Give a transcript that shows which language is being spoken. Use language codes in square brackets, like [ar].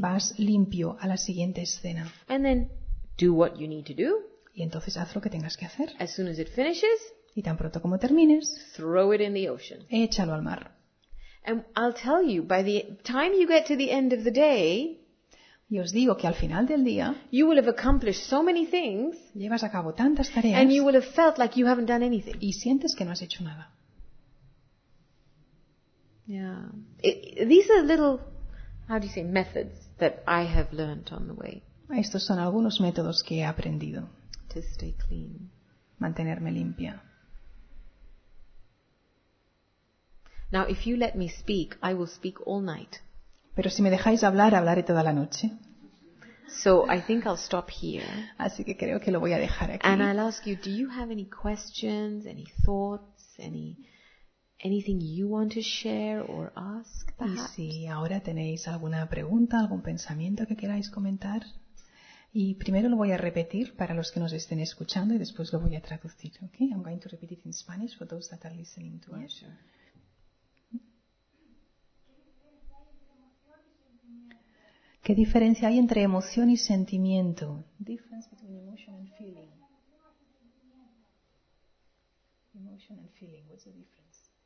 [es] Vas limpio a la siguiente escena. [en] And then do what you need to do. [es] Y entonces haz lo que tengas que hacer. [en] As soon as it finishes, [es] y tan pronto como termines, [en] throw it in the ocean. [es] Échalo al mar. [en] And I'll tell you, by the time you get to the end of the day, [es] y os digo que al final del día, [en] you will have accomplished so many things, [es] llevas a cabo tantas tareas, [en] and you will have felt like you haven't done anything. [es] Y sientes que no has hecho nada. [en] Yeah, these are little, how do you say, methods that I have learned on the way. [es] Estos son algunos métodos que he aprendido. [en] To stay clean. [es] Mantenerme limpia. [en] Now, if you let me speak, I will speak all night. [es] Pero si me dejáis hablar, hablaré toda la noche. [en] So I think I'll stop here. [es] Así que creo que lo voy a dejar aquí. [en] And I'll ask you, do you have any questions, any thoughts, anything you want to share or ask? Perhaps? [es] Y si ahora tenéis alguna pregunta, algún pensamiento que queráis comentar. Y primero lo voy a repetir para los que nos estén escuchando y después lo voy a traducir. [en] Okay? I'm going to repeat it in Spanish for those that are listening to us. Yeah, sure. [es] ¿Qué ¿Qué diferencia hay entre emoción y sentimiento? [en] Difference between emotion and feeling. Emotion and feeling, what's the difference?